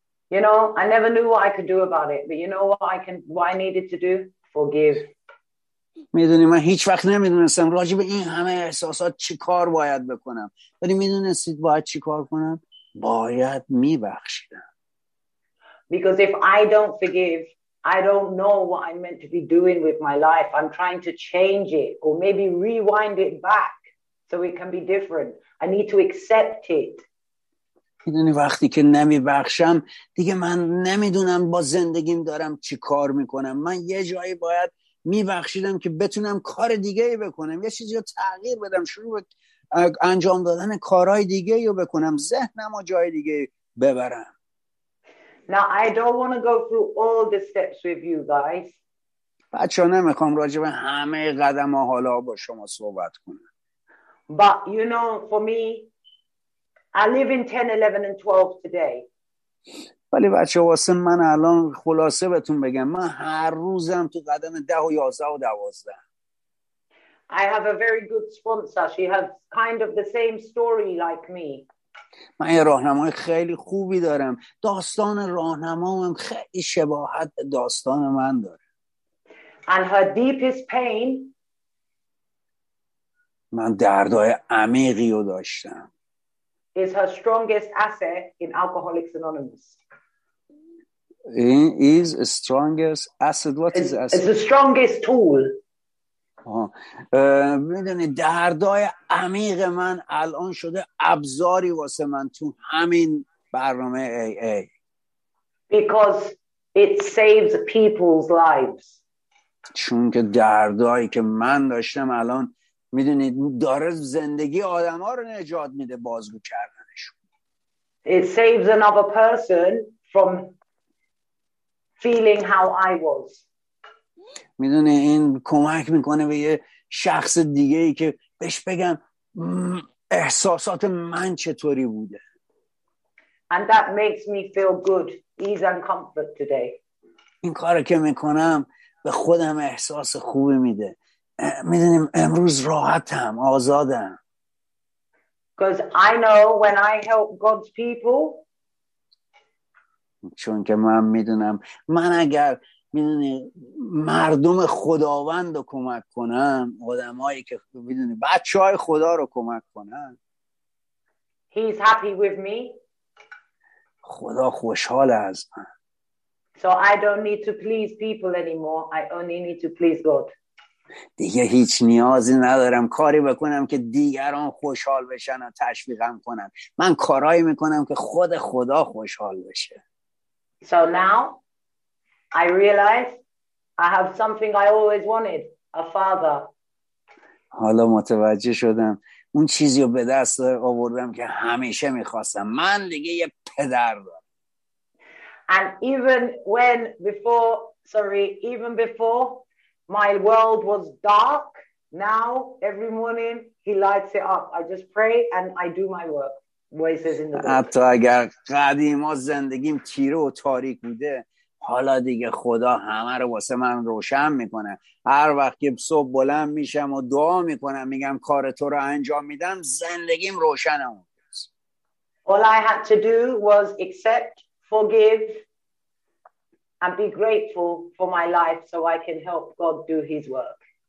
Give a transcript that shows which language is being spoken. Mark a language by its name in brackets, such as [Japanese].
[English] You know, I never knew what I could do about it, but you know what I can, what I needed to do? Forgive. [Persian] میدونی من هیچ وقت نمیدونستم راجع به این همه احساسات چی کار باید بکنم. ولی میدونستید باید چی کار کنم؟ باید میبخشیدم. [English] Because if I don't forgive, I don't know what I'm meant to be doing with my life. I'm trying to change it or maybe rewind it back. So it can be different. I need to accept it. [Persian] میدونی وقتی که نمیبخشم دیگه من نمیدونم با زندگیم دارم چی کار میکنم. من یه جایی باید میبخشیدم که بتونم کار دیگه ای بکنم. یه چیزی رو تغییر بدم. شروع به انجام دادن کارهای دیگه ای بکنم. ذهنم رو جای دیگه ببرم. [English] Now I don't want to go through all the steps with you guys. [Persian] بچه ها نمیخوام راجع به همه قدم ها حالا با شما صحبت کنم. [English] But you know, for me, I live in 10, 11, and 12 today. [Persian] ولی بچه واسه من الان خلاصه بهتون بگم من هر روزم تو قدم 10 و 11 و 12. [English] I have a very good sponsor. She has kind of the same story like me. [Persian] من یه راهنمای خیلی خوبی دارم. داستان راهنمام خیلی شباهت به داستان من داره. [English] And her deepest pain. [Persian] من دردهای عمیقی رو داشتم. [English] Is her strongest asset in Alcoholics Anonymous. is as strong as acid. What is acid? It's the strongest tool. [Persian] میدونی دردای عمیق من الان شده ابزاری واسه من تو همین برنامه AA. [English] Because it saves people's lives. [Persian] چون که دردایی که من داشتم الان میدونید داره زندگی آدم ها رو نجات میده بازگو کردنشون. [English] It saves another person from feeling how I was. [Persian] میدونه این کمک میکنه به یه شخص دیگه ای که بهش بگم احساسات من چطوری بوده. [English] And that makes me feel good, ease and comfort today. [Persian] این کارو که میکنم به خودم احساس خوبی میده. میدونیم امروز راحتم، آزادم. [English] Because I know when I help God's people. [Persian] چون که من میدونم من اگر میدونی مردم خداوند رو کمک کنم، آدمایی که میدونی بچهای خدا رو کمک کنم، [English] He's happy with me. [Persian] خدا خوشحال از من. [English] So I don't need to please people anymore. I only need to please God. [Persian] دیگه هیچ نیازی ندارم کاری بکنم که دیگران خوشحال بشن و تشویقم کنم. من کارایی میکنم که خود خدا خوشحال بشه. [English] So now I realize I have something I always wanted, a father. [Persian] حالا متوجه شدم اون چیزی رو به دست آوردم که همیشه میخواستم. من دیگه یه پدر دارم. [English] And even when before, sorry, even before my world was dark, now every morning he lights it up. I just pray and I do my work. Voices in the book. [Persian] حتی اگر قدیم از زندگیم تیره و تاریک بوده، حالا دیگه خدا همه رو واسه من روشن میکنه. هر وقت که صبح بلند میشم و دعا میکنم میگم کار تو رو انجام میدم، زندگیم روشنه. [English] All I had to do was accept, forgive and be grateful for my life so I can help God do his work.